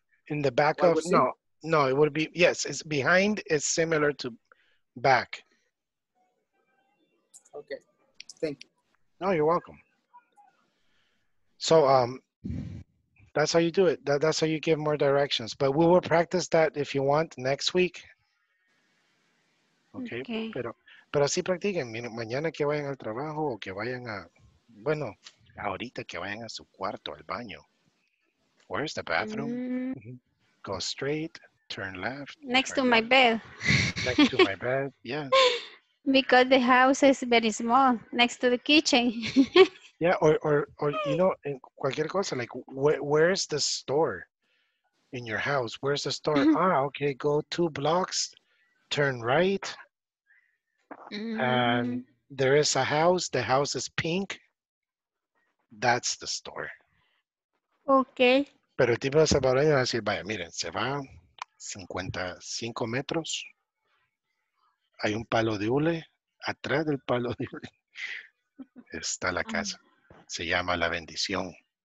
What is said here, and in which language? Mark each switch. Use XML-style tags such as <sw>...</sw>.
<en>In the back of, no, it would be, yes, it's behind, it's similar to back. Okay, thank you. No, you're welcome. So that's how you do it. That's how you give more directions. But we will practice that if you want next week.</en> <es>Okay. Pero así practiquen. Mañana que vayan al trabajo o que vayan a, bueno, ahorita que vayan a su cuarto, al baño.</es> <en>Where's the bathroom? Mm-hmm. Go straight, turn left. Next to my bed. Next to my bed, yeah. Because the house is very small, next to the kitchen. Yeah, or you know,</en> <es>en cualquier cosa,</es> <en>like, where's the store in your house? Where's the store? Mm-hmm. Ah, okay, go 2 blocks, turn right. Mm-hmm. And there is a house, the house is pink. That's the store. Okay.</en> <es>Pero el tipo de salvadoreño va a decir, vaya, miren, se va 55 metros. Hay un palo de hule, atrás del palo de hule está la casa. Se llama La Bendición.</es>